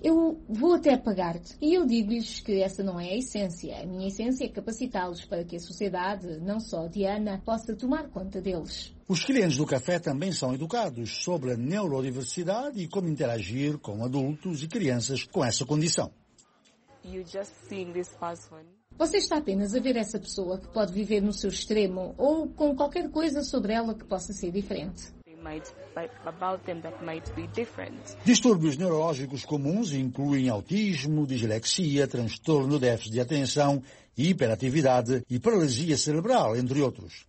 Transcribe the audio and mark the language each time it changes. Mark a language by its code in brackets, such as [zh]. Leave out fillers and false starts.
[pt] Eu vou até pagar-te. E eu digo-lhes que essa não é a essência. A minha essência é capacitá-los para que a sociedade, não só Diana, possa tomar conta deles. Os clientes do café também são educados sobre a neurodiversidade e como interagir com adultos e crianças com essa condição. [en] You just seeing this person. [pt] Você está apenas a ver essa pessoa que pode viver no seu extremo ou com qualquer coisa sobre ela que possa ser diferente. Distúrbios neurológicos comuns incluem autismo, dislexia, transtorno de déficit de atenção, hiperatividade e paralisia cerebral, entre outros.